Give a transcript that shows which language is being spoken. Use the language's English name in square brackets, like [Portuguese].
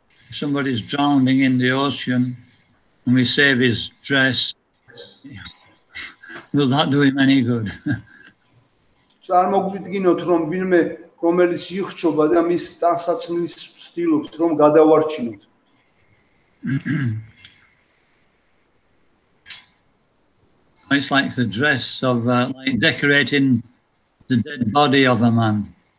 [English] Somebody is drowning in the ocean and we save his dress. Will that do him any good? [Georgian] წარმოგვიდგინოთ რომ ვინმე რომელიც იხრჩობა და მის ტანსაცმლის ვცდილობთ რომ გადავარჩინოთ. [English] It's like the dress of like decorating the dead body of a man.